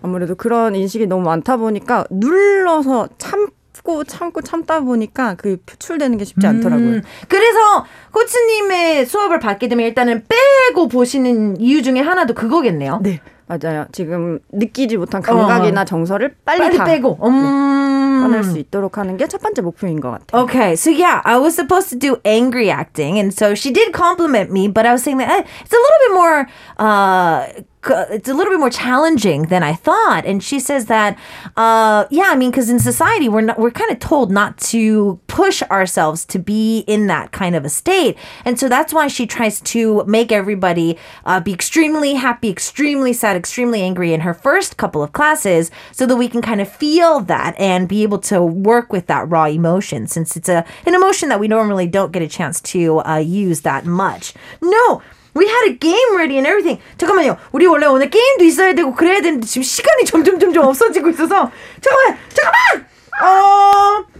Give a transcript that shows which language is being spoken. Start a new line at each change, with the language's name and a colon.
Korean: 아무래도 그런 인식이 너무 많다 보니까 눌러서 참고 참고 참다 보니까 그 표출되는 게 쉽지 않더라고요. 그래서 코치님의 수업을 받게 되면 일단은 빼고 보시는 이유 중에 하나도 그거겠네요. 네. 맞아요. 지금 느끼지 못한 감각이나 정서를 빨리 다 빼고 꺼낼 수 있도록 하는 게 첫 번째 목표인 것 같아요.
English: Okay. So yeah, I was supposed to do angry acting. And so she did compliment me, but I was saying that it's a little bit more it's a little bit more challenging than I thought. And she says that, yeah, I mean, because in society, we're kind of told not to push ourselves to be in that kind of a state. And so that's why she tries to make everybody be extremely happy, extremely sad, extremely angry in her first couple of classes so that we can kind of feel that and be able to work with that raw emotion, since it's an emotion that we normally don't get a chance to use that much. No! We had a game ready and everything.
Korean: 잠깐만요. 우리 원래 오늘 게임도 있어야 되고 그래야 되는데 지금 시간이 점점 없어지고 있어서 잠깐만!